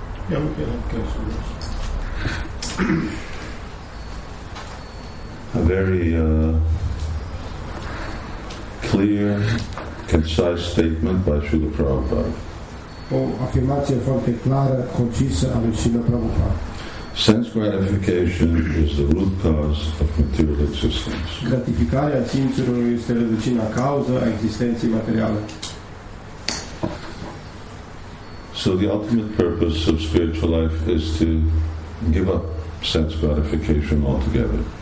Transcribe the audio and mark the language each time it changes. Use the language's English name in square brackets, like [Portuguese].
[English] Yeah, we can have questions. A very clear, concise statement by Srila Prabhupada. [Romanian] O afirmație foarte clară, concisă a lui Srila Prabhupada. [English] Sense gratification is the root cause of material existence. [Romanian] Gratificarea simțurilor este rădăcina cauză a existenței materiale. [English] So the ultimate purpose of spiritual life is to give up sense gratification altogether.